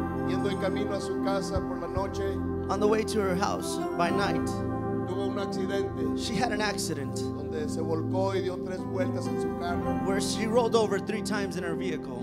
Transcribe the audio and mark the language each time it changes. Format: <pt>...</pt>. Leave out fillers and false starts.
<es>yendo en camino a su casa por la noche,</es> <en>on the way to her house by night,</en> <es>tuvo un accidente.</es> <en>She had an accident</en> <es>donde se volcó y dio tres vueltas en su carro,</es> <en>where she rolled over three times in her vehicle.</en>